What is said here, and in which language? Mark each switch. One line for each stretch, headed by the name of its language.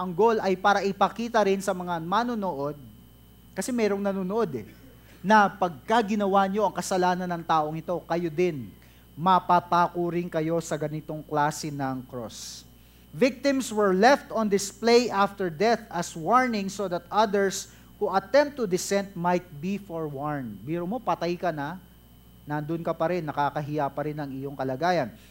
Filipino: Ang goal ay para ipakita rin sa mga manunood, kasi merong nanunood eh, na pagka ginawa nyo ang kasalanan ng taong ito, kayo din, mapapako rin kayo sa ganitong klase ng cross.
English: Victims were left on display after death as warning so that others who attempt to dissent might be forewarned.
Filipino: Biro mo, patay ka na, nandun ka pa rin, nakakahiya pa rin ang iyong kalagayan.